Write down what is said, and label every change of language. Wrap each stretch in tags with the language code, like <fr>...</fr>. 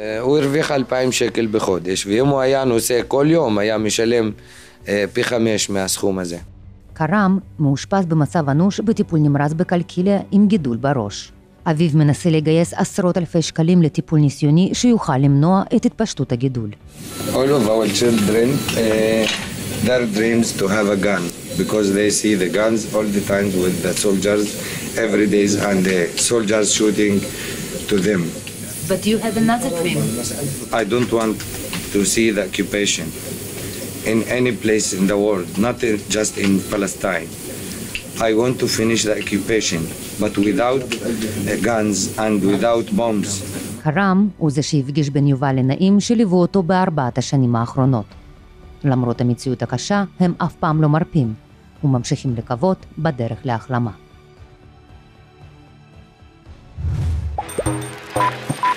<he>הוא הרוויח 2,000 שקל בחודש, ואם הוא היה נוסע כל יום, היה משלם פי 5 מהסכום הזה. קרם מאושפז במצב אנוש בטיפול נמרץ בקלקיליה עם גידול בראש. אביו מנסה לגייס 10,000 שקלים לטיפול ניסיוני שיוכל למנוע את התפשטות הגידול.</he> <en>All of our children, their dreams to have a gun, because they see the guns all the time with the soldiers, every day, and the soldiers shooting to them. But you have another dream. I don't want to see the occupation. in any place in the world, not just in Palestine. I want to finish the occupation, but without guns and without bombs.</en> <he>הרם הוא זה שהפגיש בין יובל לנעים שליוו אותו בארבעת השנים האחרונות. למרות המציאות הקשה, הם אף פעם לא מרפים, וממשיכים לקוות בדרך להחלמה.</he>